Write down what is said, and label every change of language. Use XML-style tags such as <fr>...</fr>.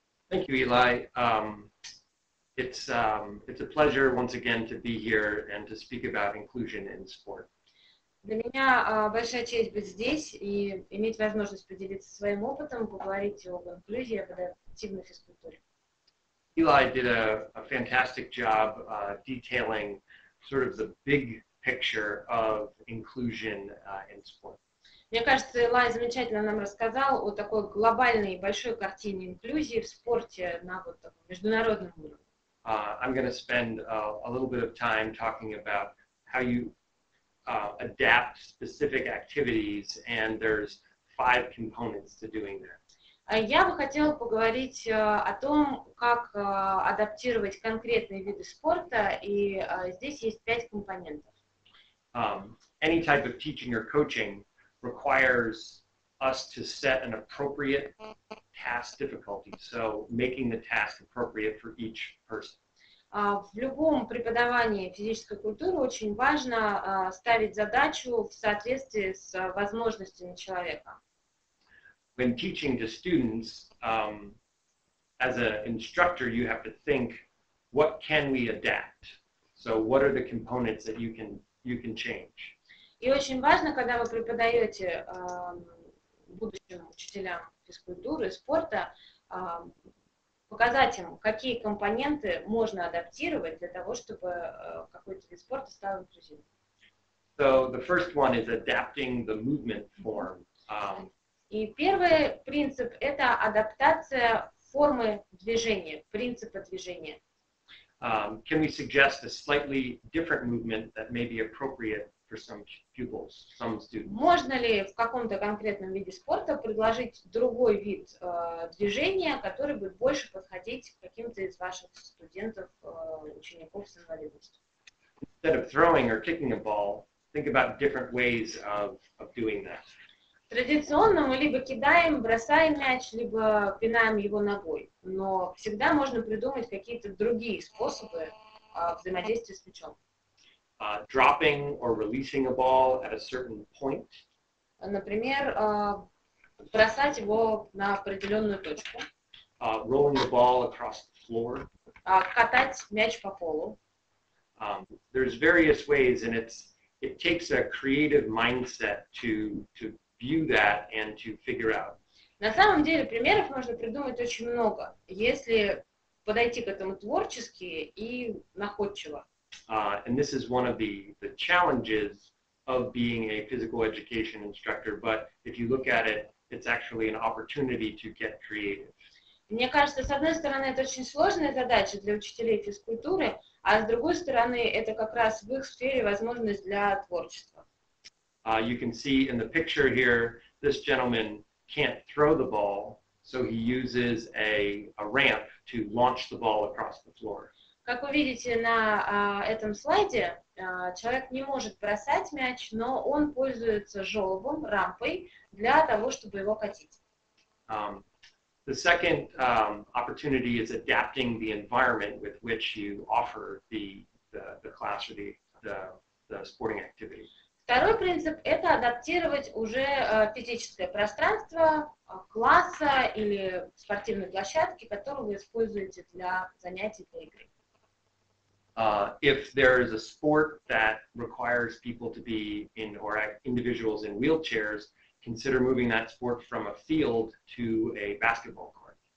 <en>Thank you, Илай. It's a pleasure once again to be here and to speak about inclusion in sport.</en> <ru>Для меня большая честь быть здесь и иметь возможность поделиться своим опытом, поговорить об инклюзии, об адаптивной физкультуре.</ru> <en>Илай did a fantastic job detailing sort of the big picture of inclusion in sport.</en> <ru>Мне кажется, Илай замечательно нам рассказал о такой глобальной большой картине инклюзии в спорте на вот таком международном уровне.</ru> <en>I'm going to spend a little bit of time talking about how you adapt specific activities, and there's five components to doing that.</en> <ru>Я бы хотела поговорить о том, как адаптировать конкретные виды спорта, и здесь есть пять компонентов.</ru> <en>Any type of teaching or coaching requires us to set an appropriate task difficulty, so making the task appropriate for each person.</en> <ru>В любом преподавании физической культуры очень важно ставить задачу в соответствии с возможностями человека.</ru> <en>When teaching to students, as an instructor, you have to think, what can we adapt? So what are the components that you can change?</en> <ru>И очень важно, когда вы преподаете будущим учителям физкультуры, спорта, показателям, какие компоненты можно адаптировать для того, чтобы какой-то вид спорта стал инклюзивным.</ru> <en>So the first one is adapting the movement form.</en> <ru>И первый принцип – это адаптация формы движения, принципа движения.</ru> <en>Can we suggest a slightly different movement that may be appropriate for some pupils, some students?</en> <ru>Можно ли в каком-то конкретном виде спорта предложить другой вид движения, который бы больше подходить каким-то из ваших студентов, учеников с инвалидностью?</ru> <en>Instead of throwing or kicking a ball, think about different ways of doing that.</en> <ru>Традиционно мы либо кидаем, бросаем мяч, либо пинаем его ногой. Но всегда можно придумать какие-то другие способы взаимодействия с мячом.</ru> <en>Dropping or releasing a ball at a certain point.</en> <ru>Например, бросать его на определенную точку.</ru> <en>Rolling the ball across the floor.</en> <ru>Катать мяч по полу.</ru> <en>There's various ways, and it takes a creative mindset to view that and to figure out.</en> <ru>На самом деле примеров можно придумать очень много, если подойти к этому творчески и находчиво.</ru> <en>And this is one of the challenges of being a physical education instructor, but if you look at it, it's actually an opportunity to get creative.</en> <ru>Мне кажется, с одной стороны, это очень сложная задача для учителей физкультуры, а с другой стороны, это как раз в их сфере возможность для творчества.</ru> <en>You can see in the picture here, this gentleman can't throw the ball, so he uses a ramp to launch the ball across the floor.</en> <ru>Как вы видите на этом слайде, человек не может бросать мяч, но он пользуется желобом, рампой, для того, чтобы его катить.</ru> <en>The second opportunity is adapting the environment with which you offer the class or the sporting activity.</en> <ru>Второй принцип – это адаптировать уже физическое пространство класса или спортивной площадки, которую вы используете для занятий, для игры.</ru> <en>If there is a sport that requires people to be in or individuals in wheelchairs, consider moving that sport from a field to a basketball court.</en>